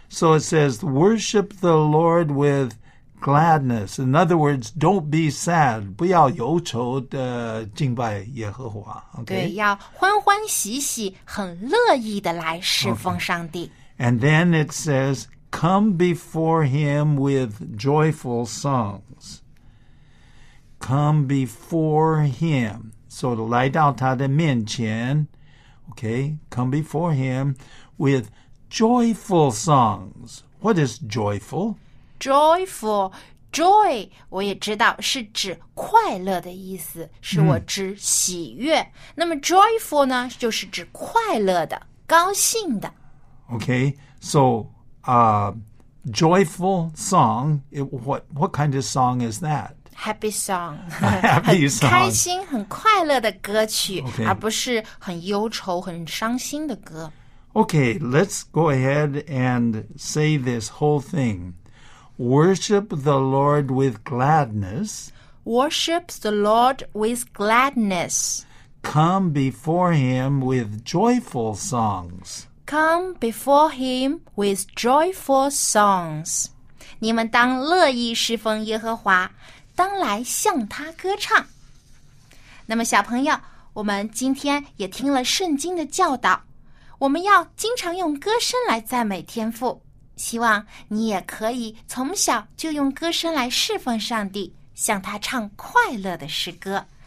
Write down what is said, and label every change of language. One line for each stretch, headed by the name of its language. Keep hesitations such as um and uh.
English: So it says worship the Lord with gladness. In other words, don't be sad.
Chinese: 不要忧愁的敬拜耶和华。 OK，对，要欢欢喜喜、很乐意的来侍奉上帝。
English: Okay. Okay. And then it says, "Come before him with joyful songs." Come before him. So to lie down to the men Okay. Come before him with joyful songs. What is joyful? Joyful, joy. joyful。
Chinese: joy 我也知道是指快乐的意思，是我指喜悦。嗯、那么 mm. joyful 呢，就是指快乐的、高兴的。
English: Okay, so a、uh, joyful song. It, what what kind of song is that? Happy song, happy song，
Chinese: 开心、很快乐的歌曲，<Okay. S 1> 而不是很忧愁、很伤心的歌。
English: Okay, let's go ahead and say this whole thing worship the Lord with gladness. Worship the Lord with gladness. Come before him with joyful songs. Come before him with joyful songs.
Chinese: 你们当乐意侍奉耶和华，当来向他歌唱。那么，小朋友，我们今天也听了圣经的教导，我们要经常用歌声来赞美天父。希望你也可以从小就用歌声来侍奉上帝，向他唱快乐的诗歌。